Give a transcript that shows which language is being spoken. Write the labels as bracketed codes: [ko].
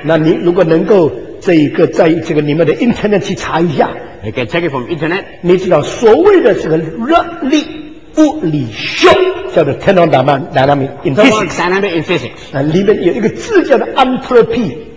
[zh] 那你如果能够这一个在这个你们的 internet 去查一下。 [en] You can check it from internet. [zh] 你知道所谓的这个热力。物理学叫做 [en] thermodynamic in physics, thermodynamic in physics. [zh] 里面有一个字叫做 entropy.